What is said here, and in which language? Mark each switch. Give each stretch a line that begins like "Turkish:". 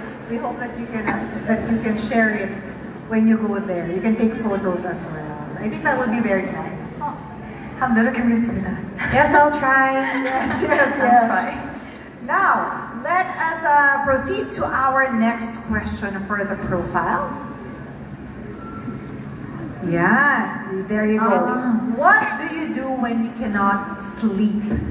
English: We hope that you can share it when you go there. You can take photos as well. I think that would be very nice.
Korean: Oh, 한번 노력해보겠습니다.
English: Yes, I'll try. Yes. I'll try. Now, let us proceed to our next question for the profile. Yeah, there you go. What do you do when you cannot sleep?